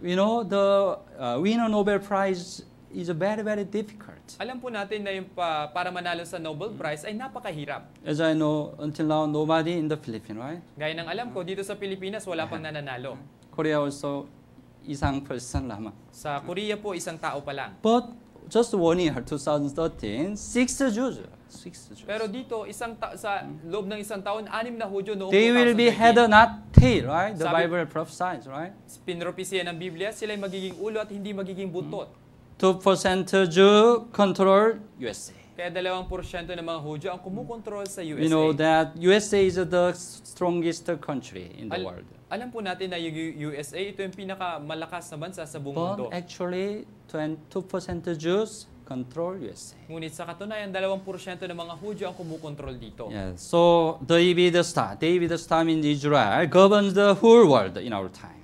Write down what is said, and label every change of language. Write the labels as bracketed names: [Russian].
[English] You know, the winner Nobel Prize is very, very difficult. [Filipino] Alam po natin na yung para manalo sa Nobel Prize ay napakahirap. [English] As I know, until now, nobody in the Philippines, right? [Filipino] Gaya ng alam ko, dito sa Pilipinas, wala pang nananalo. [English] Korea also, [Filipino] isang person lamang. Sa Korea po, isang tao pa lang. [English] But just 1 year, 2013, 6 Jews. [Filipino] Pero dito isang sa loob ng isang taon 6 na Hudyo noong [English] they will be head and not tail, right? The Sabi, Bible prophesies, right? [Filipino] Pinropesiya ng Biblia sila ay magiging ulo at hindi magiging buntot. [English] 2% Jew control USA. [Filipino] Kaya 2% ng mga Hudyo ang kumukontrol sa USA. [English] You know that USA is the strongest country in the world. [Filipino] Alam po natin na yung USA ito yung pinakamalakas na bansa sa buong mundo. [English] But actually 2% Jews control USA. [Filipino] Ngunit sa katunayan, 20% ng mga Hudyo ang kumukontrol dito. [English] Yes. So, David Star in Israel governs the whole world in our time.